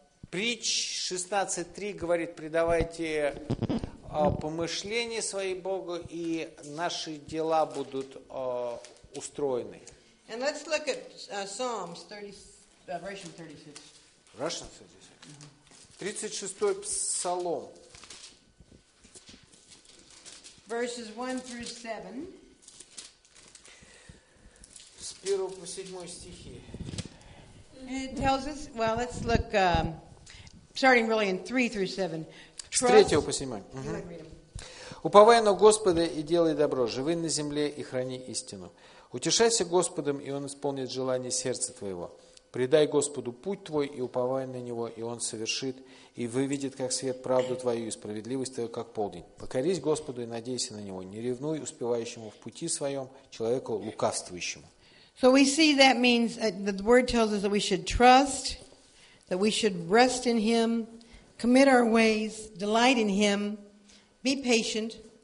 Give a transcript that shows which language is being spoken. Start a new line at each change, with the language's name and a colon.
Russian: Притч 16:3 говорит, предавайте помышления свои Богу, и наши дела будут устроены.
English: And let's look at Psalms 30, Russian 36. Russian 36. Mm-hmm.
Russian: 36-й Псалом.
English: Verses 1 through 7.
Russian: С 1 по 7 стихи.
English: It tells us, well, let's look, starting really in 3 through 7.
Russian: Trust, с 3 по 7. Uh-huh. Уповай на Господа и делай добро, живи на земле и храни истину. Утешайся Господом, и Он исполнит желание сердца твоего. Предай Господу путь твой и уповай на Него, и Он совершит и выведет, как свет, правду твою и справедливость твою, как полдень. Покорись Господу и надейся на Него. Не ревнуй успевающему в пути своем, человеку лукавствующему.
English: So we see that means that the word tells us that we should trust, that we should rest in Him, commit our ways, delight in Him, be patient.